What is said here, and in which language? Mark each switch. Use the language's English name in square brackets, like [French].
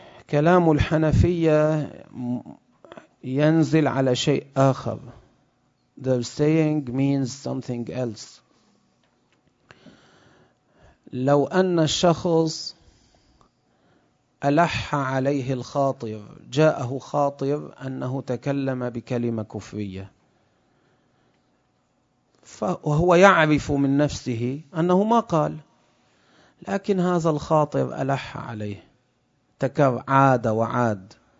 [Arabic] كلام الحنفية ينزل على شيء آخر. [English] The saying means something else. [Arabic] لو أن الشخص ألح عليه الخاطر, جاءه خاطر أنه تكلم بكلمة كفرية, وهو يعرف من نفسه أنه ما قال, لكن هذا الخاطر ألح عليه تكرر عاد وعاد,